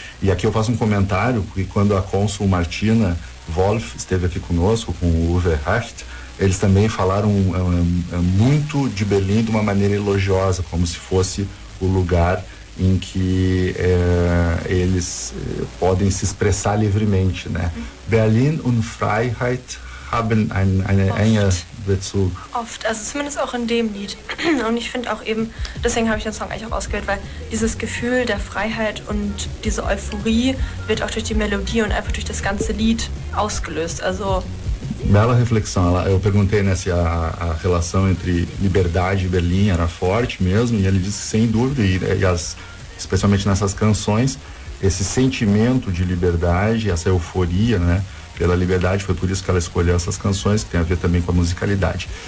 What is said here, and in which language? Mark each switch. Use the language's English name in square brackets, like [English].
[Portuguese] E aqui eu faço comentário, porque quando a cônsul Martina Wolf esteve aqui conosco, com o Uwe Hecht, eles também falaram muito de Berlim de uma maneira elogiosa, como se fosse o lugar em que eles podem se expressar livremente, né? [German] Berlin und Freiheit haben einen engen Bezug. Oft, also zumindest auch in dem Lied. Und ich finde auch eben, deswegen habe ich den Song eigentlich auch ausgewählt, weil dieses Gefühl der Freiheit und diese Euphorie wird auch durch die Melodie und einfach durch das ganze Lied ausgelöst. Also [Portuguese] bela reflexão. Eu perguntei, né, se a relação entre liberdade e Berlim era forte mesmo, e ele disse que sem dúvida, especialmente nessas canções, esse sentimento de liberdade, essa euforia, né, pela liberdade, foi por isso que ela escolheu essas canções, que tem a ver também com a musicalidade.